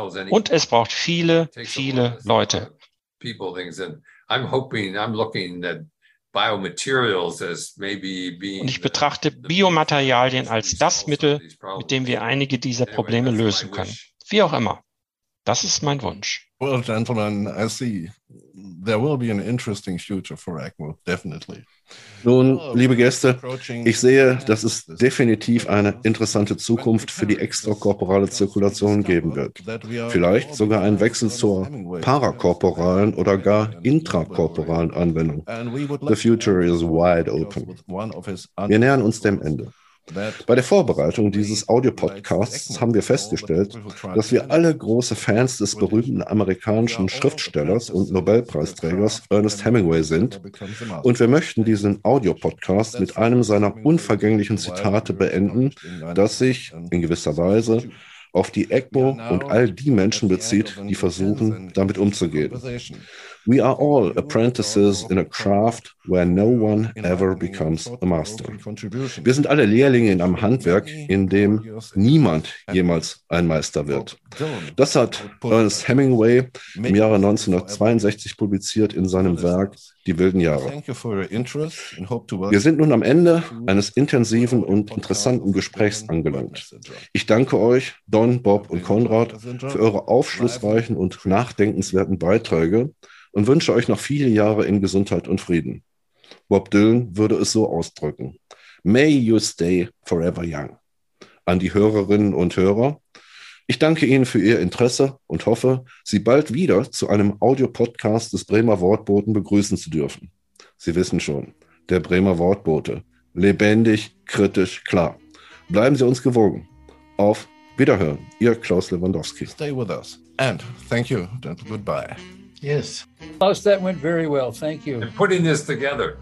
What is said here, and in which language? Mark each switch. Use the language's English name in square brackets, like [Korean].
[German] Und es braucht viele, viele Leute. Und ich betrachte Biomaterialien als das Mittel, mit dem wir einige dieser Probleme lösen können. Wie auch immer, das ist mein Wunsch. [English] Well, gentlemen, I see there will be an interesting future for ECMO, definitely. [German] Nun, liebe Gäste, ich sehe, dass es definitiv eine interessante Zukunft für die extrakorporale Zirkulation geben wird. Vielleicht sogar einen Wechsel zur parakorporalen oder gar intrakorporalen Anwendung. [English] The future is wide open. [German] Wir nähern uns dem Ende. Bei der Vorbereitung dieses Audio-Podcasts haben wir festgestellt, dass wir alle große Fans des berühmten amerikanischen Schriftstellers und Nobelpreisträgers Ernest Hemingway sind, und wir möchten diesen Audio-Podcast mit einem seiner unvergänglichen Zitate beenden, das sich in gewisser Weise auf die ECMO und all die Menschen bezieht, die versuchen, damit umzugehen. [English] We are all apprentices in a craft where no one ever becomes a master. [German] Wir sind alle Lehrlinge in einem Handwerk, in dem niemand jemals ein Meister wird. Das hat Ernest Hemingway im Jahre 1962 publiziert in seinem Werk Die wilden Jahre. Wir sind nun am Ende eines intensiven und interessanten Gesprächs angelangt. Ich danke euch, Don, Bob und Konrad, für eure aufschlussreichen und nachdenkenswerten Beiträge und wünsche euch noch viele Jahre in Gesundheit und Frieden. Bob Dylan würde es so ausdrücken: [English] May you stay forever young. [German] An die Hörerinnen und Hörer, ich danke Ihnen für Ihr Interesse und hoffe, Sie bald wieder zu einem Audio-Podcast des Bremer Wortboten begrüßen zu dürfen. Sie wissen schon, der Bremer Wortbote. Lebendig, kritisch, klar. Bleiben Sie uns gewogen. Auf Wiederhören, Ihr Klaus Lewandowski. [English] Stay with us. And thank you. And goodbye. Yes. Klaus, that went very well. Thank you. And putting this together.